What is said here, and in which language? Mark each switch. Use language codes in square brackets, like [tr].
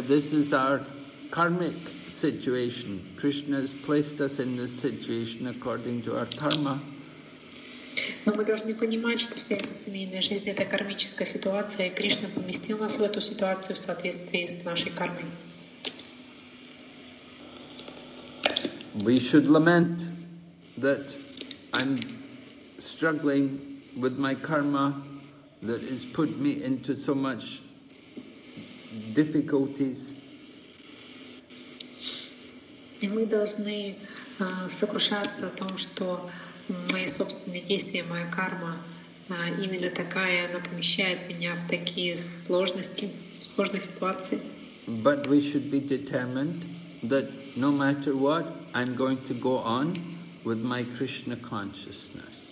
[en] This is our karmic situation. Krishna has placed us in this situation according to our karma. [ru] Но мы должны понимать, что вся эта семейная жизнь — это кармическая ситуация, и Кришна поместил нас в эту ситуацию в соответствии с нашей кармой. [en] We should lament that I'm struggling with my karma that has put me into so much difficulties. [ru] И мы должны сокрушаться о том, что мои собственные действия, моя карма, именно такая, она помещает меня в такие сложности, в сложные ситуации. [en] But we should be determined that no matter what, I'm going to go on with my Krishna consciousness.